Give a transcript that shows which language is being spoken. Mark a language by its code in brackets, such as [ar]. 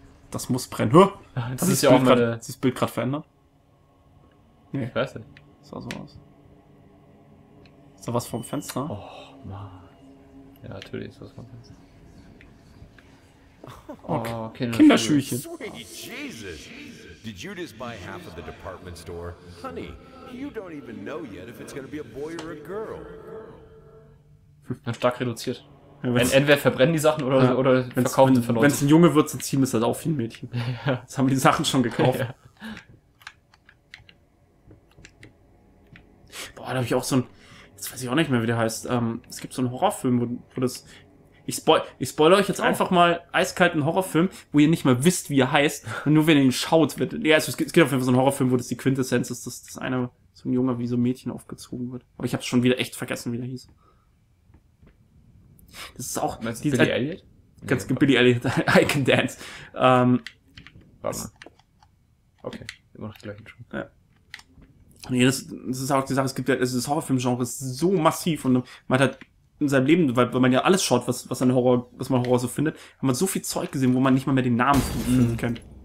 [de] Das muss brennen. Huh? Das ist ja auch gerade. Ist das Bild gerade verändert? Nee. Ich weiß nicht. Sah so aus. Ist da was vom Fenster? Oh, Mann. Ja, natürlich ist was vom Fenster. Oh, Kinderschuhchen. [en] Sweet Jesus. Did you just buy half of the department store? Honey, you don't even know yet if it's gonna be a boy or a girl. [de] Dann stark reduziert. Ja, entweder verbrennen die Sachen oder, ja, oder verkaufen sie für Leute. Wenn es ein Junge wird, dann ziehen es halt auch viel Mädchen. Jetzt haben die Sachen schon gekauft. Ja. Boah, da habe ich auch so ein. Jetzt weiß ich auch nicht mehr, wie der heißt. Es gibt so einen Horrorfilm, wo das. Ich spoilere euch jetzt einfach mal eiskalten Horrorfilm, wo ihr nicht mal wisst, wie er heißt. Und nur wenn ihr ihn schaut, wird. Ja, also es gibt auf jeden Fall so einen Horrorfilm, wo das die Quintessenz ist, dass das eine so ein Junge wie so ein Mädchen aufgezogen wird. Aber ich habe es schon wieder echt vergessen, wie der hieß. Das ist auch. Meinst du Billy Elliot? Ganz nee, Billy Elliot, I Can Dance. Warte mal. Okay, immer noch die gleichen Schuhe. Ja. Nee, das ist auch die Sache, es gibt ja, also das Horrorfilm-Genre ist so massiv und man hat halt in seinem Leben, weil man ja alles schaut, was man Horror so findet, hat man so viel Zeug gesehen, wo man nicht mal mehr den Namen finden kann.